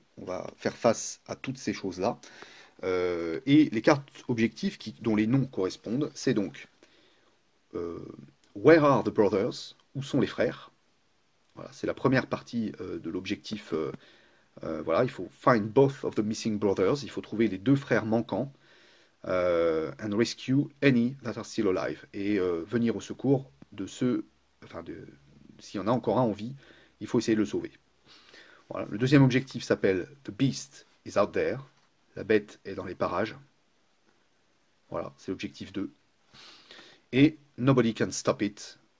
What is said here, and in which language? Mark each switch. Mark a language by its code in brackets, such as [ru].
[fr] On va faire face à toutes ces choses-là. Et les cartes objectifs dont les noms correspondent, c'est donc [en] Where are the brothers? [fr] Où sont les frères? Voilà, c'est la première partie de l'objectif. Voilà, il faut [en] find both of the missing brothers. [fr] Il faut trouver les deux frères manquants. [en] And rescue any that are still alive. [fr] Et venir au secours de ceux, enfin de, s'il y en a encore un en vie, il faut essayer de le sauver. Voilà. Le deuxième objectif s'appelle [en] The Beast is out there. [fr] La bête est dans les parages. Voilà, c'est l'objectif 2. Et [en] nobody can stop it.